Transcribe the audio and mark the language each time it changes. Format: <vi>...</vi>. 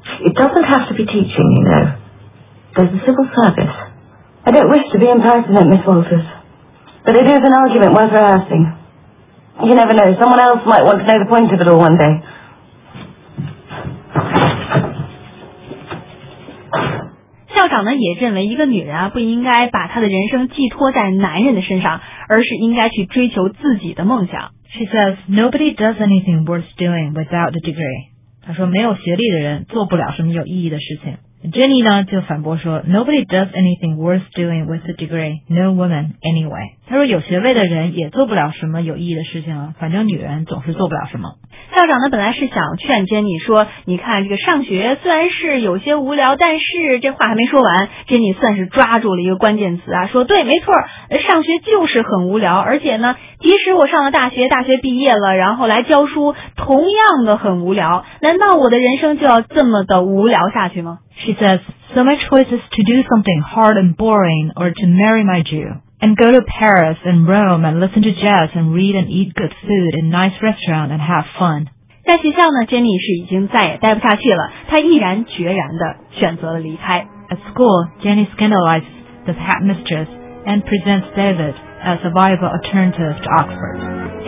<en>It doesn't have to be teaching, you know. There's a civil service. I don't wish to be impertinent, Miss Walters, but it is an argument worth rehearsing. You never know, someone else might want to know the point of it all one day.</en> <zh>校长呢也认为一个女人啊不应该把她的人生寄托在男人的身上，而是应该去追求自己的梦想。</zh> <en>She says, nobody does anything worth doing without a degree.</en> <zh>她说没有学历的人做不了什么有意义的事情。</zh> <en>Jenny</en> <zh>呢就反驳说</zh> <en>Nobody does anything worth doing with a degree. No woman, anyway.</en> <zh>他说有学位的人也做不了什么有意义的事情啊，反正女人总是做不了什么。校长呢本来是想劝 Jenny 说，你看这个上学虽然是有些无聊，但是这话还没说完， Jenny 算是抓住了一个关键词啊，说对，没错，上学就是很无聊，而且呢即使我上了大学，大学毕业了然后来教书，同样的很无聊，难道我的人生就要这么的无聊下去吗？</zh> <en>She says, so my choice is to do something hard and boring or to marry my Jew and go to Paris and Rome and listen to jazz and read and eat good food in nice restaurant and have fun.</en> <zh>在学校呢 Jenny 是已经再也待不下去了，她毅然决然地选择了离开。</zh> <en>At school, Jenny scandalizes the headmistress and presents David as a viable alternative to Oxford.</en>